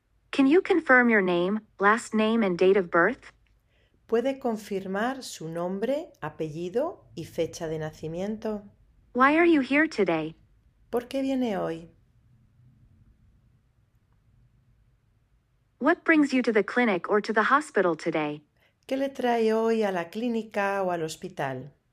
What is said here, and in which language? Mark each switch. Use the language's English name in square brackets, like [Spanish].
[English] Can you confirm your name, last name and date of birth? [Spanish] ¿Puede confirmar su nombre, apellido y fecha de nacimiento? [English] Why are you here today? [Spanish] ¿Por qué viene hoy? [English] What brings you to the clinic or to the hospital today? [Spanish] ¿Qué le trae hoy a la clínica o al hospital?